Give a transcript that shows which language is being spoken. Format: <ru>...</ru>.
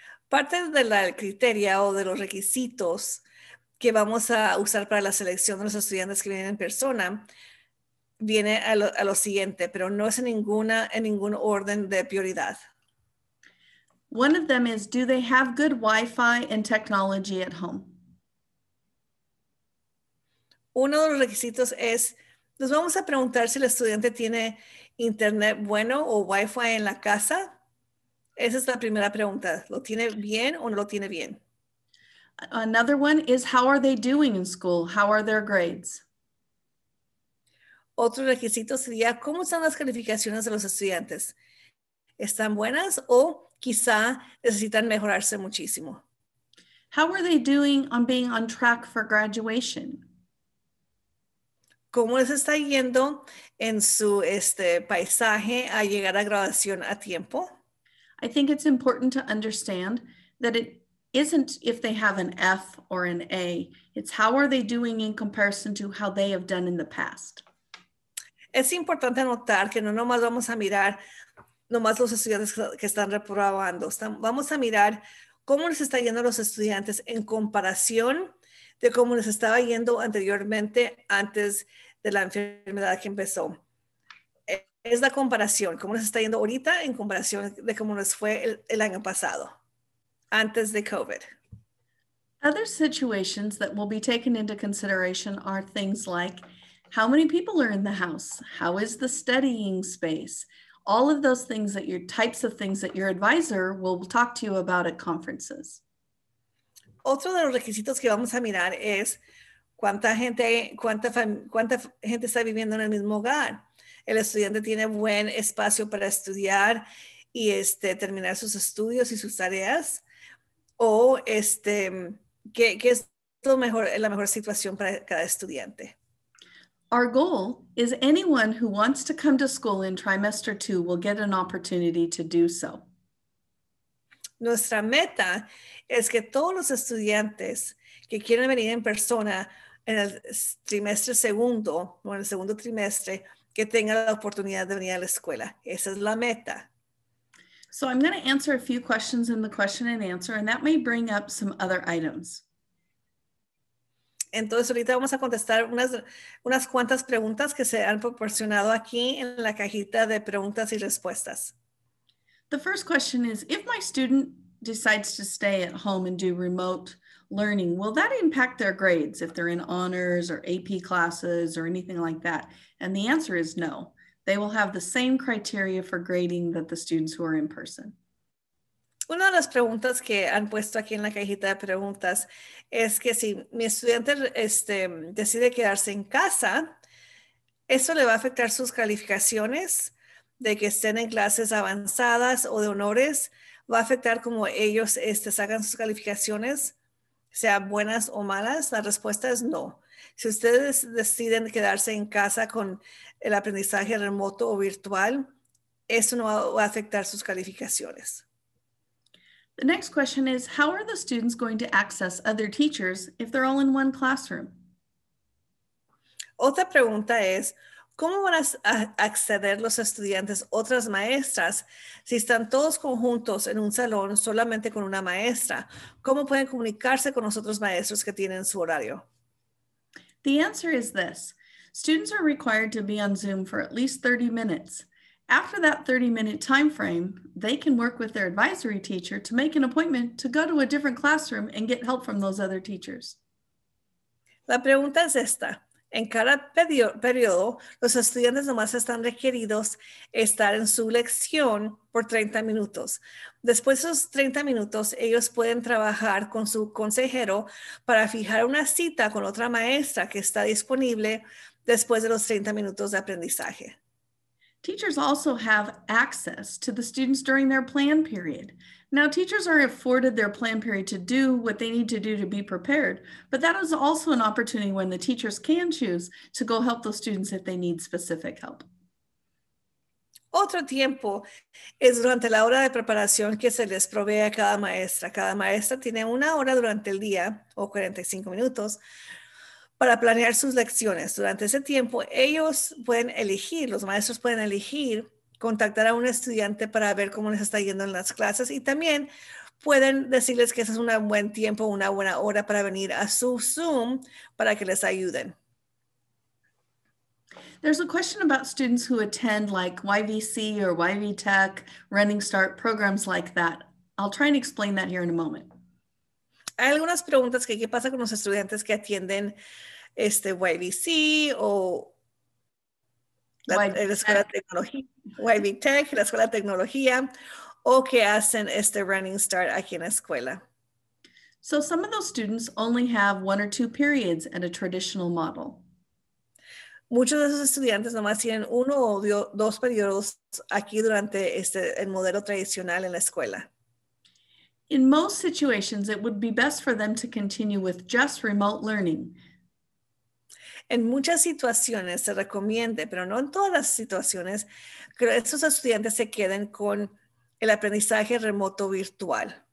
<es>Parte de la criteria o de los requisitos que vamos a usar para la selección de los estudiantes que vienen en persona viene a lo siguiente, pero no es en ningún orden de prioridad.</es> <en>One of them is, do they have good Wi-Fi and technology at home?</en> <es>Uno de los requisitos es, nos vamos a preguntar si el estudiante tiene internet bueno o Wi-Fi en la casa. Esa es la primera pregunta, ¿lo tiene bien o no lo tiene bien?</es> <en>Another one is, how are they doing in school? How are their grades?</en> <es>Otro requisito sería, ¿cómo están las calificaciones de los estudiantes? ¿Están buenas o quizá necesitan mejorarse muchísimo?</es> <en>How are they doing on being on track for graduation?</en> <es>¿Cómo les está yendo en su paisaje a llegar a graduación a tiempo?</es> <en>I think it's important to understand that it isn't if they have an F or an A. It's how are they doing in comparison to how they have done in the past.</en> <es>Es importante notar que no nomás vamos a mirar nomás los estudiantes que están reprobando. Vamos a mirar cómo les está yendo a los estudiantes en comparación de cómo les estaba yendo anteriormente antes de la enfermedad que empezó. Es la comparación, cómo les está yendo ahorita en comparación de cómo les fue el año pasado, antes de COVID.</es> <en>Other situations that will be taken into consideration are things like, how many people are in the house? How is the studying space? All of those things that your types of things that your advisor will talk to you about at conferences.</en> <es>Otro de los requisitos que vamos a mirar es cuánta gente está viviendo en el mismo hogar. El estudiante tiene buen espacio para estudiar y terminar sus estudios y sus tareas. O qué es la mejor situación para cada estudiante.</es> <en>Our goal is anyone who wants to come to school in trimester two will get an opportunity to do so.</en> <es>Nuestra meta es que todos los estudiantes que quieren venir en persona en el trimestre segundo o en el segundo trimestre que tengan la oportunidad de venir a la escuela. Esa es la meta.</es> <en>So I'm going to answer a few questions in the question and answer, and that may bring up some other items.</en> <es>Entonces, ahorita vamos a contestar unas cuantas preguntas que se han proporcionado aquí en la cajita de preguntas y respuestas.</es> <en>The first question is, if my student decides to stay at home and do remote learning, will that impact their grades if they're in honors or AP classes or anything like that? And the answer is no. They will have the same criteria for grading that the students who are in person.</en> <es>Una de las preguntas que han puesto aquí en la cajita de preguntas es que si mi estudiante decide quedarse en casa, ¿eso le va a afectar sus calificaciones de que estén en clases avanzadas o de honores? ¿Va a afectar como ellos sacan sus calificaciones, sean buenas o malas? La respuesta es no. Si ustedes deciden quedarse en casa con el aprendizaje remoto o virtual, eso no va a afectar sus calificaciones.</es> <en>The next question is, how are the students going to access other teachers if they're all in one classroom?</en> <es>Otra pregunta es, ¿cómo van a acceder los estudiantes, otras maestras, si están todos conjuntos en un salón solamente con una maestra? ¿Cómo pueden comunicarse con los otros maestros que tienen su horario?</es> <en>The answer is this. Students are required to be on Zoom for at least 30 minutes. After that 30-minute time frame, they can work with their advisory teacher to make an appointment to go to a different classroom and get help from those other teachers.</en> <es>La pregunta es esta. En cada periodo, los estudiantes nomás están requeridos estar en su lección por 30 minutos. Después de esos 30 minutos, ellos pueden trabajar con su consejero para fijar una cita con otra maestra que está disponible después de los 30 minutos de aprendizaje.</es> <en>Teachers also have access to the students during their plan period. Now, teachers are afforded their plan period to do what they need to do to be prepared, but that is also an opportunity when the teachers can choose to go help those students if they need specific help.</en> <es>Otro tiempo es durante la hora de preparación que se les provee a cada maestra. Cada maestra tiene una hora durante el día, o 45 minutos, para planear sus lecciones. Durante ese tiempo, ellos pueden elegir, los maestros pueden elegir, contactar a un estudiante para ver cómo les está yendo en las clases y también pueden decirles que ese es un buen tiempo, una buena hora para venir a su Zoom para que les ayuden.</es> <en>There's a question about students who attend like YVC or YV Tech, Running Start, programs like that. I'll try and explain that here in a moment.</en> <es>Hay algunas preguntas que qué pasa con los estudiantes que atienden este YVC o la escuela tecnología, YV Tech, la escuela de tecnología, o que hacen este Running Start aquí en la escuela.</es> <en>So some of those students only have one or two periods at a traditional model.</en> <es>Muchos de esos estudiantes nomás tienen uno o dos periodos aquí durante este el modelo tradicional en la escuela.</es> <en>In most situations, it would be best for them to continue with just remote learning.</en> <es>En muchas situaciones se recomiende, pero no en todas las situaciones, que estos estudiantes se queden con el aprendizaje remoto virtual.</es>